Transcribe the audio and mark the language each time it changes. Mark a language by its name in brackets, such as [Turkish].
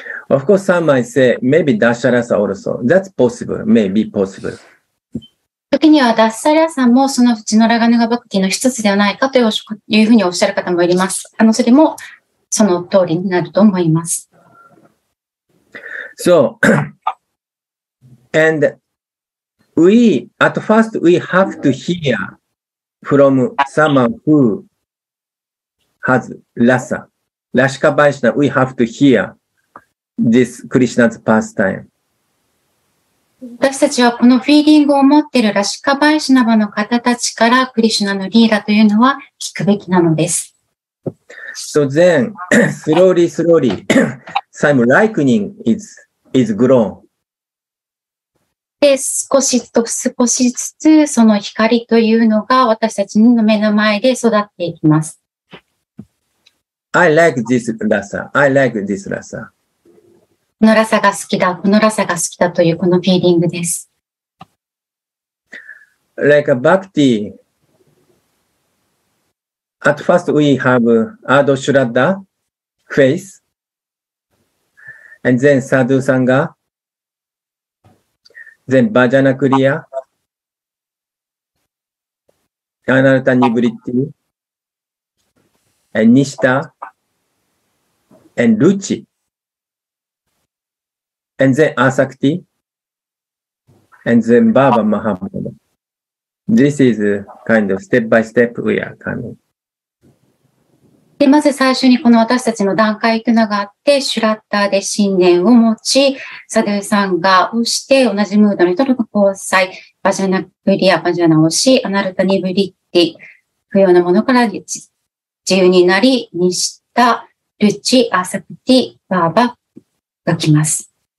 [English] Of course, some might say, maybe Dasarasa also. That's possible. Maybe possible. [Japanese] 時には Dasarasa もそのうちのラガヌガバクティの一つではないかというふうにおっしゃる方もいます。それもその通りになると思います。 [English] So, and we, at first, we have to hear from someone who has Rasa. Rashika Vaishna, we have to hear. This Krishna's pastime. [Japanese] 私たちはこのフィーリングを持っているラシカバイシナバの方たちからクリシュナのリーラというのは聞くべきなのです。 [English] So then, slowly, slowly, some lightning is grown. [Japanese] で、少しずつその光というのが私たちの目の前で育っていきます。 [English] I like this Rasa. I like this Rasa. [Japanese] このラサが好きだ、このラサが好きだというこのフィーリングです。 [English] Like a bhakti, at first we have Adho Shraddha faith, and then Sadhu Sangha, then Bhajana Kriya, Anartha Nivritti, and Nishtha, and Ruchi. And then Asakti, and then Baba Mahamudra. This is kind of step by step we are coming. [Japanese] で、まず最初にこの私たちの段階というのがあって、シュラッターで信念を持ち、サドゥサンガをして同じムードの人との交際、バジャナブリア、バジャナオシ、アナルタニブリッティ、不要なものから自由になり、にした、ルチ、アサプティ、バーバが来ます。